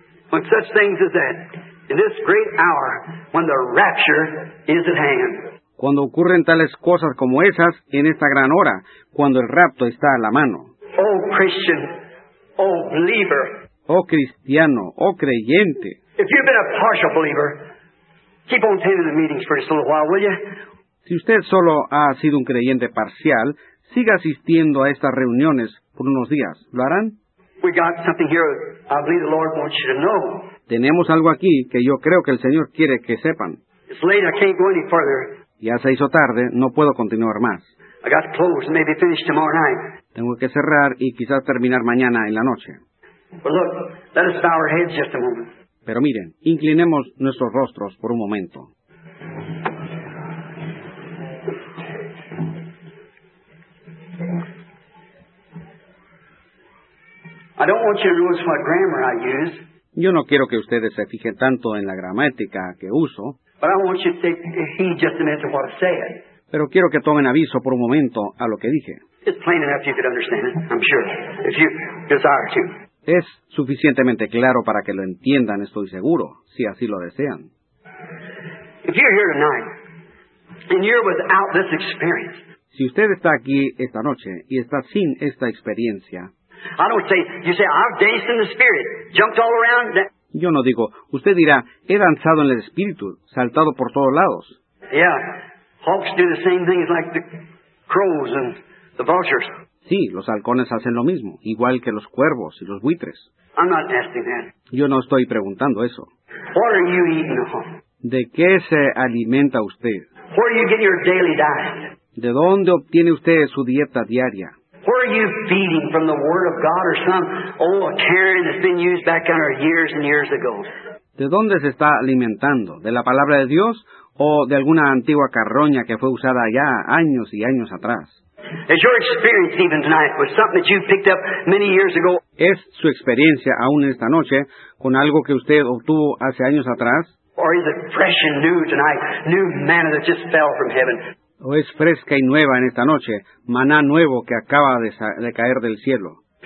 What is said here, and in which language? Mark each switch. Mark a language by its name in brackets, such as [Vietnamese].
[English] When such things as that, in this great hour, when the rapture is at hand. [Spanish] Cuando ocurren tales cosas como esas, en esta gran hora, cuando el rapto está a la mano. [English] Oh, Christian, oh, believer. [Spanish] Oh, cristiano, oh, creyente. [English] If you've been a partial believer, keep on attending the meetings for just a little while, will you? [Spanish] Si usted solo ha sido un creyente parcial, siga asistiendo a estas reuniones por unos días. ¿Lo harán? [English] We got something here I believe the Lord wants you to know. [Spanish] Tenemos algo aquí que yo creo que el Señor quiere que sepan. [English] It's late, I can't go any further. [Spanish] Ya se hizo tarde, no puedo continuar más. [English] I got to close and maybe finish tomorrow night. [Spanish] Tengo que cerrar y quizás terminar mañana en la noche. [English] But look, let us bow our heads just a moment. [Spanish] Pero miren, inclinemos nuestros rostros por un momento. [English] I don't want you to notice what grammar I use. [Spanish] Yo no quiero que ustedes se fijen tanto en la gramática que uso. [English] But I want you to take heed just a minute to what I said. [Spanish] Pero quiero que tomen aviso por un momento a lo que dije. [English] It's plain enough you could understand it, I'm sure, if you desire to. [Spanish] Es suficientemente claro para que lo entiendan, estoy seguro, si así lo desean. [English] If you're here tonight, and you're without this experience, [Spanish] si usted está aquí esta noche y está sin esta experiencia, [English] I don't say, you say, I've danced in the spirit, jumped all around. [Spanish] Yo no digo, usted dirá, he danzado en el espíritu, saltado por todos lados. [English] Yeah, hawks do the same thing as like the crows and the vultures. [Spanish] Sí, los halcones hacen lo mismo, igual que los cuervos y los buitres. [English] I'm not asking that. [Spanish] Yo no estoy preguntando eso. [English] What are you eating? [Spanish] ¿De qué se alimenta usted? [English] Where do you get your daily diet? [Spanish] ¿De dónde obtiene usted su dieta diaria? [English] Where are you feeding from the Word of God or some old Karen that's been used back in our years and years ago? [Spanish] ¿De dónde se está alimentando? ¿De la palabra de Dios o de alguna antigua carroña que fue usada ya años y años atrás? [English] Is your experience even tonight with something that you picked up many years ago? [Spanish] ¿Es su experiencia aún esta noche con algo que usted obtuvo hace años atrás? [English] Or is it fresh and new tonight, new manna that just fell from heaven? [Spanish] ¿O es fresca y nueva en esta noche, maná nuevo que acaba de caer del cielo?